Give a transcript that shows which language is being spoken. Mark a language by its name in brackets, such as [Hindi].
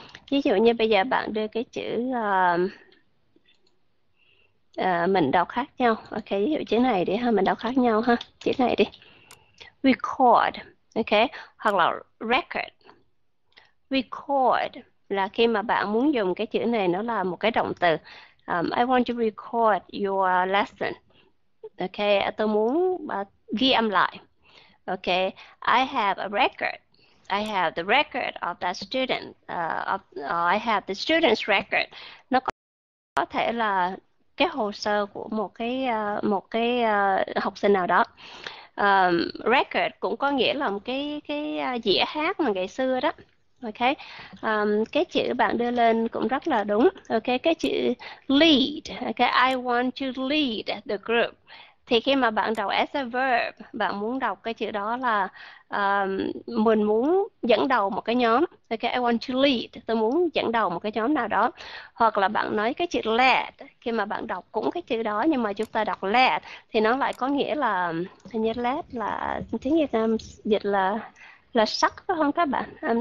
[Vietnamese] Ví dụ như bây giờ bạn đưa cái chữ mình đọc khác nhau. Ok, ví dụ chữ này đi ha, mình đọc khác nhau ha. Chữ này đi. Record, ok, hoặc là record. Record là khi mà bạn muốn dùng cái chữ này, nó là một cái động từ. [English] I want to record your lesson. Ok, [Vietnamese] tôi muốn ghi âm lại. [English] Ok, I have a record. I have the record of that student. I have the student's record. [Vietnamese] Nó có thể là cái hồ sơ của một cái học sinh nào đó. Record cũng có nghĩa là một cái dĩa hát mà ngày xưa đó. Ok, cái chữ bạn đưa lên cũng rất là đúng. Ok, cái chữ lead. [English] Ok, I want to lead the group. [Vietnamese] Thì khi mà bạn đọc [English] as a verb, [Vietnamese] bạn muốn đọc cái chữ đó là mình muốn dẫn đầu một cái nhóm. Ok, [English] I want to lead. [Vietnamese] Tôi muốn dẫn đầu một cái nhóm nào đó. Hoặc là bạn nói cái chữ led. Khi mà bạn đọc cũng cái chữ đó, nhưng mà chúng ta đọc led, thì nó lại có nghĩa là, hình như led là tiếng Việt Nam dịch là sắt phải không các bạn?